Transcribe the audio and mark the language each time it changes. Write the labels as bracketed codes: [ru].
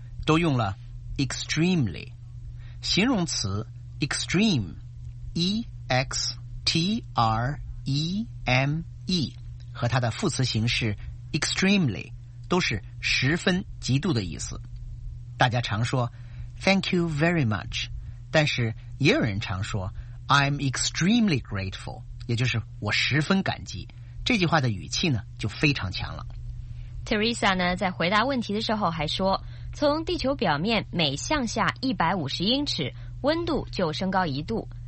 [zh] 都用了 extremely. 形容词 extreme, E-X-T-R-E-M-E 和它的副词形式 extremely 都是十分极度的意思。大家常说 [en] Thank you very much. [zh] 但是也有人常说 [en] I'm extremely grateful, [zh] 也就是我十分感激。这句话的语气呢就非常强了。 Teresa 呢在回答问题的时候还说，从地球表面每向下150英尺温度就升高一度。